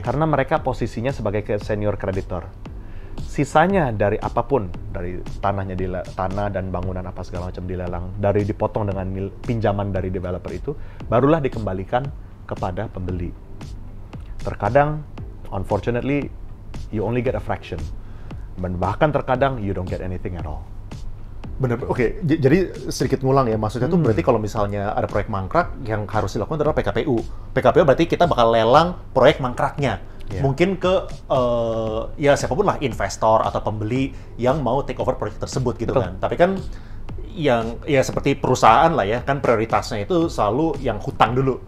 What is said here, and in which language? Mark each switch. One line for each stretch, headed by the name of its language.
Indonesian: Karena mereka posisinya sebagai senior kreditor. Sisanya dari apapun, dari tanahnya di tanah dan bangunan apa segala macam dilelang, dari dipotong dengan pinjaman dari developer itu, barulah dikembalikan kepada pembeli.
English: terkadang, unfortunately, you only get a fraction. Dan bahkan terkadang, you don't get anything at all.
Indonesian: Bener, oke. Jadi sedikit ngulang ya, maksudnya tuh berarti kalau misalnya ada proyek mangkrak, yang harus dilakukan adalah PKPU. PKPU berarti kita bakal lelang proyek mangkraknya. Yeah. Mungkin ke, ya siapapun lah, investor atau pembeli yang mau take over proyek tersebut gitu. Betul. Kan. Tapi kan, yang ya seperti perusahaan lah ya, kan prioritasnya itu selalu yang hutang dulu.